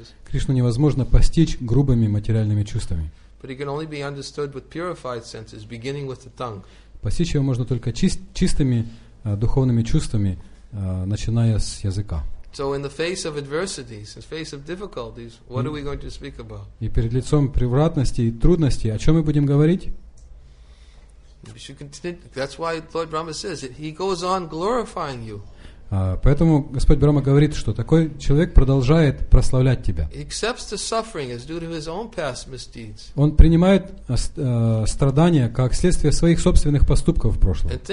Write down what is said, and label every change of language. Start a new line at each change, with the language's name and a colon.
Russian: Кришну невозможно постичь грубыми материальными чувствами.
English: But he can only be understood with purified senses, beginning with the tongue.
Russian: Постичь его можно только чистыми духовными чувствами, начиная с языка.
English: So in the face of adversities, in the face of difficulties, what are we going to speak about?
Russian: И перед лицом превратности и трудностей, о чем мы будем говорить?
English: We should continue. That's why Lord Brahma says it. He goes on glorifying you.
Russian: Поэтому Господь Брахма говорит, что такой человек продолжает прославлять тебя. Он принимает страдания как следствие своих собственных поступков в прошлом.